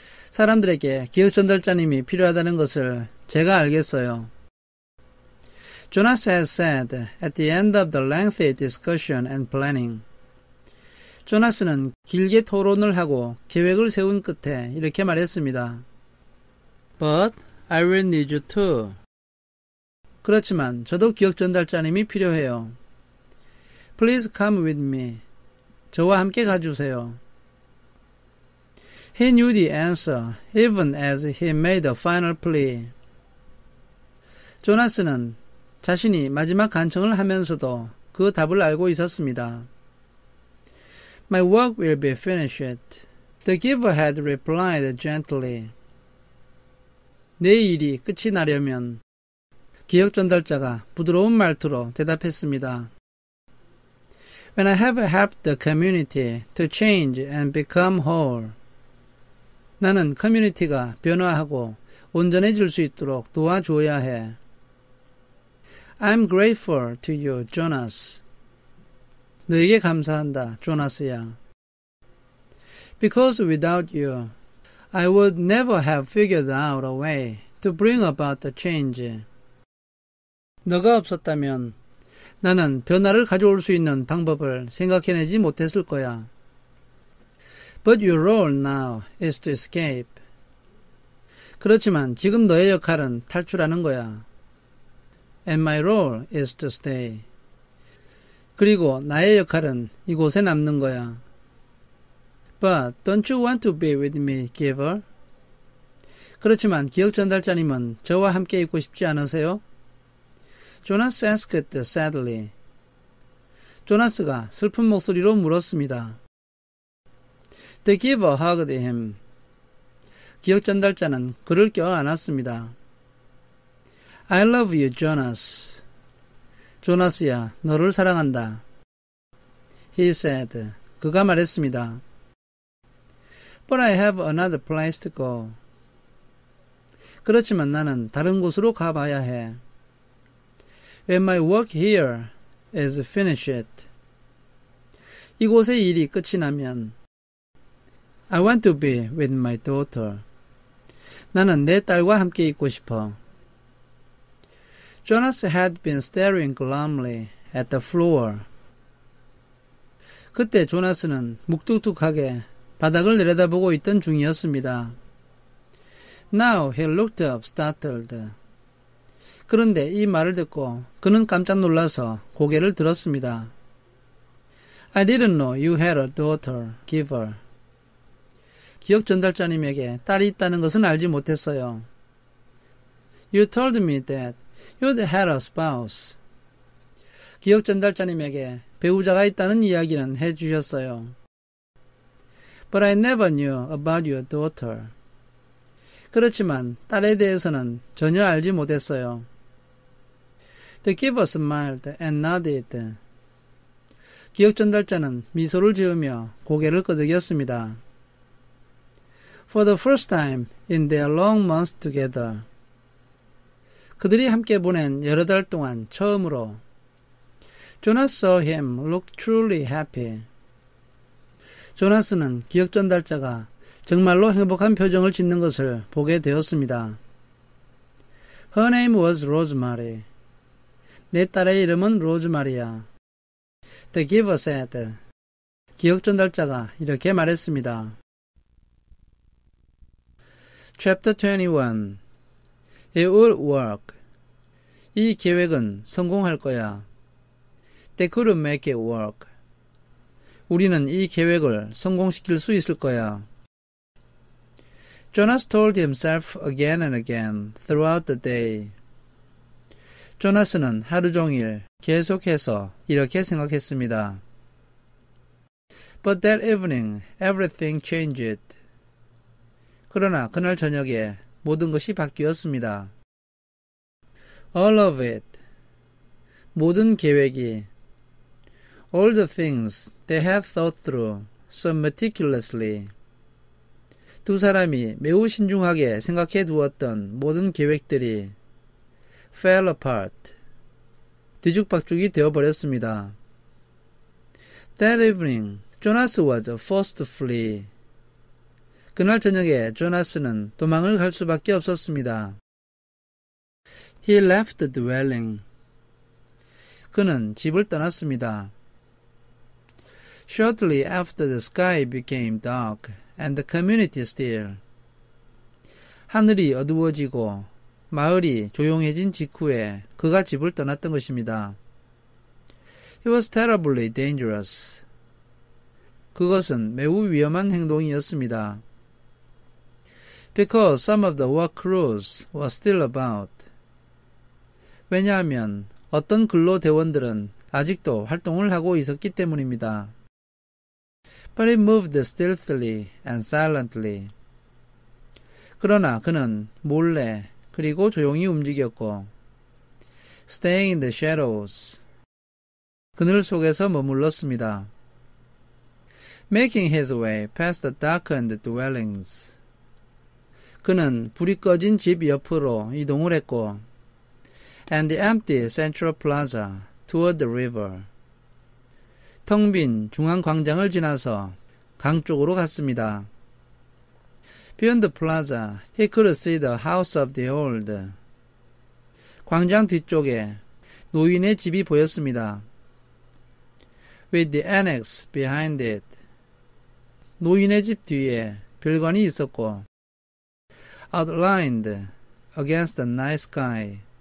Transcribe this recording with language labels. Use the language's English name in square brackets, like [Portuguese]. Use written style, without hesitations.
[Korean] 사람들에게 기억 전달자님이 필요하다는 것을 제가 알겠어요. [English] Jonas has said at the end of the lengthy discussion and planning. [Korean] 조나스는 길게 토론을 하고 계획을 세운 끝에 이렇게 말했습니다. [English] But I will need you too. [Korean] 그렇지만 저도 기억 전달자님이 필요해요. [English] Please come with me. [Korean] 저와 함께 가주세요. [English] He knew the answer even as he made a final plea. [Korean] 조나스는 자신이 마지막 간청을 하면서도 그 답을 알고 있었습니다. [English] My work will be finished. The giver had replied gently. [Korean] 내 일이 끝이 나려면 기역 전달자가 부드러운 말투로 대답했습니다. [English] When I have helped the community to change and become whole. [Korean] 나는 커뮤니티가 변화하고 온전해질 수 있도록 도와줘야 해. [English] I'm grateful to you, Jonas. [Korean] 너에게 감사한다, 조나스야. [English] Because without you, I would never have figured out a way to bring about the change. [Korean] 너가 없었다면 나는 변화를 가져올 수 있는 방법을 생각해내지 못했을 거야. [English] But your role now is to escape. [Korean] 그렇지만 지금 너의 역할은 탈출하는 거야. [English] And my role is to stay. [Korean] 그리고 나의 역할은 이곳에 남는 거야. [English] But don't you want to be with me, giver? [Korean] 그렇지만 기억 전달자님은 저와 함께 있고 싶지 않으세요? [English] Jonas asked sadly. [Korean] 조나스가 슬픈 목소리로 물었습니다. [English] The giver hugged him. [Korean] 기억 전달자는 그를 껴안았습니다. [English] I love you, Jonas. [Korean] 조나스야, 너를 사랑한다. [English] He said. [Korean] 그가 말했습니다. [English] But I have another place to go. [Korean] 그렇지만 나는 다른 곳으로 가봐야 해. [English] When my work here is finished. [Korean] 이곳의 일이 끝이 나면 [English] I want to be with my daughter. [Korean] 나는 내 딸과 함께 있고 싶어. [English] Jonas had been staring glumly at the floor. [Korean] 그때 조나스는 묵뚝뚝하게 바닥을 내려다보고 있던 중이었습니다. [English] Now he looked up startled. [Korean] 그런데 이 말을 듣고 그는 깜짝 놀라서 고개를 들었습니다. [English] I didn't know you had a daughter, giver. [Korean] 기억 전달자님에게 딸이 있다는 것은 알지 못했어요. [English] You told me that you'd had a spouse. [Korean] 기억 전달자님에게 배우자가 있다는 이야기는 해주셨어요. [English] But I never knew about your daughter. [Korean] 그렇지만 딸에 대해서는 전혀 알지 못했어요. [English] The giver smiled and nodded. [Korean] 기억 전달자는 미소를 지으며 고개를 끄덕였습니다. [English] For the first time in their long months together. [Korean] 그들이 함께 보낸 여러 달 동안 처음으로 [English] Jonas saw him look truly happy. [Korean] 조나스는 기억 전달자가 정말로 행복한 표정을 짓는 것을 보게 되었습니다. [English] Her name was Rosemary. [Korean] 내 딸의 이름은 로즈마리야. [English] The giver said. [Korean] 기억 전달자가 이렇게 말했습니다. [English] Chapter 21. It will work. [Korean] 이 계획은 성공할 거야. [English] They could make it work. [Korean] 우리는 이 계획을 성공시킬 수 있을 거야. [English] Jonas told himself again and again throughout the day. [Korean] 조나스는 하루 종일 계속해서 이렇게 생각했습니다. [English] But that evening, everything changed. [Korean] 그러나 그날 저녁에 모든 것이 바뀌었습니다. [English] All of it. [Korean] 모든 계획이. [English] All the things they had thought through so meticulously. [Korean] 두 사람이 매우 신중하게 생각해 두었던 모든 계획들이 [English] fell apart. [Korean] 뒤죽박죽이 되어버렸습니다. [English] That evening, Jonas was forced to flee. [Korean] 그날 저녁에 조나스는 도망을 갈 수밖에 없었습니다. [English] He left the dwelling. [Korean] 그는 집을 떠났습니다. [English] Shortly after the sky became dark and the community still. [Korean] 하늘이 어두워지고 마을이 조용해진 직후에 그가 집을 떠났던 것입니다. [English] It was terribly dangerous. [Korean] 그것은 매우 위험한 행동이었습니다. [English] Because some of the work crews were still about. [Korean] 왜냐하면 어떤 근로 대원들은 아직도 활동을 하고 있었기 때문입니다. [English] But he moved stealthily and silently. [Korean] 그러나 그는 몰래 그리고 조용히 움직였고 [English] Staying in the shadows. [Korean] 그늘 속에서 머물렀습니다. [English] Making his way past the darkened dwellings. [Korean] 그는 불이 꺼진 집 옆으로 이동을 했고 [English] And the empty central plaza toward the river. [Korean] 텅 빈 중앙 광장을 지나서 강 쪽으로 갔습니다. [English] Beyond the plaza, he could see the house of the old. [Korean] 광장 뒤쪽에 노인의 집이 보였습니다. [English] With the annex behind it. [Korean] 노인의 집 뒤에 별관이 있었고 [English] Outlined against the night sky.